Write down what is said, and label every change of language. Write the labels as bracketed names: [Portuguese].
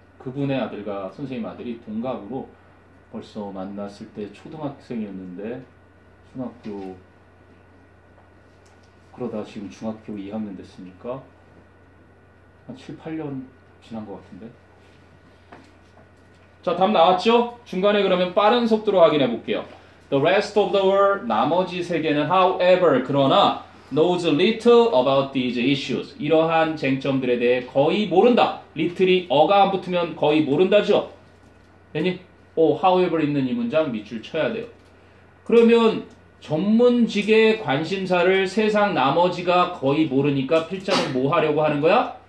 [Korean] 그분의 아들과 선생님 아들이 동갑으로 벌써 만났을 때 초등학생이었는데 중학교 그러다 지금 중학교 2학년 됐으니까 한 7, 8년 지난 것 같은데. 자, 답 나왔죠? 중간에 그러면 빠른 속도로 확인해 볼게요. [English] The rest of the world, [Korean] 나머지 세계는 [English] however, 그러나 knows little about these issues. [Korean] 이러한 쟁점들에 대해 거의 모른다. little이 어가 안 붙으면 거의 모른다죠? 됐니? 오, however 있는 이 문장 밑줄 쳐야 돼요. 그러면 전문직의 관심사를 세상 나머지가 거의 모르니까 필자는 뭐 하려고 하는 거야?